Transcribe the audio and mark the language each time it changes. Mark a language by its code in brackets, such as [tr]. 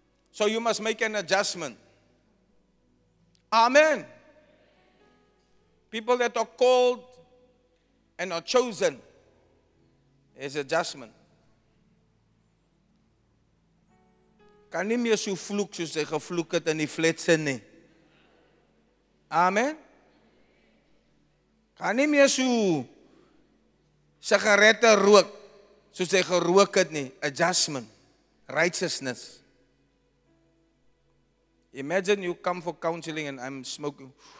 [en] So you must make an adjustment. Amen. People that are called and are chosen is adjustment. [af] Kan nie meer so vloek soos hy gevloek het in die fletse nie. Amen. Kan nie meer so sigarette rook soos hy gerook het nie. [en] Adjustment. Righteousness. Imagine you come for counseling and I'm smoking.